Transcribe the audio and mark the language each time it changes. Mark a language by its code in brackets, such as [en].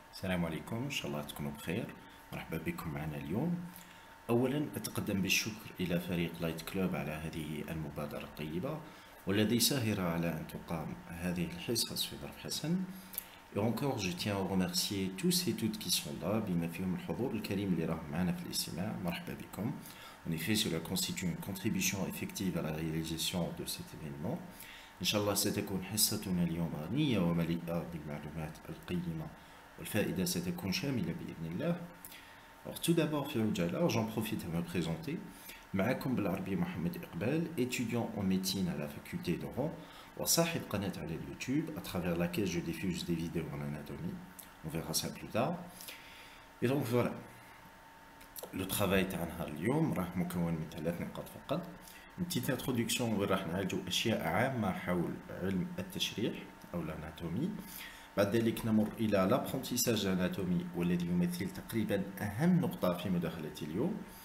[ar] السلام عليكم، إن شاء الله تكونوا بخير. مرحبا بكم معنا اليوم. أولا أتقدم بالشكر إلى فريق لايت كلوب على هذه المبادرة الطيبة والذي ساهر على أن تقام هذه الحصص في ظرف حسن. [fr] Et encore, je tiens à remercier tous et toutes qui sont là, [ar] بما فيهم الحضور الكريم اللي راهم معنا في الاستماع. مرحبا بكم. [fr] En effet, cela constitue une contribution effective à la réalisation de cet événement. [ar] إن شاء الله ستكون حصتنا اليوم غنية ومليئة بالمعلومات القيمة. والفائده ستكون شامله باذن الله. [fr] Alors, tout d'abord, [ar] في عجاله, [fr] j'en profite à me présenter. [ar] معكم بالعربي [fr] محمد اقبال, étudiant en médecine à la faculté de Rouen, [ar] وصاحب قناه على اليوتيوب, [fr] à travers laquelle je diffuse des vidéos en anatomie. On verra ça plus tard. Et donc voilà. Le travail [ar] تاع نهار اليوم راه مكون من ثلاث نقاط فقط. [fr] Une petite introduction [ar] وين راح نعالجوا اشياء عامه حول علم التشريح او الاناتومي. بعد ذلك نمر إلى لابرونتيساج الأناتومي والذي يمثل تقريبا أهم نقطة في مداخلتي اليوم.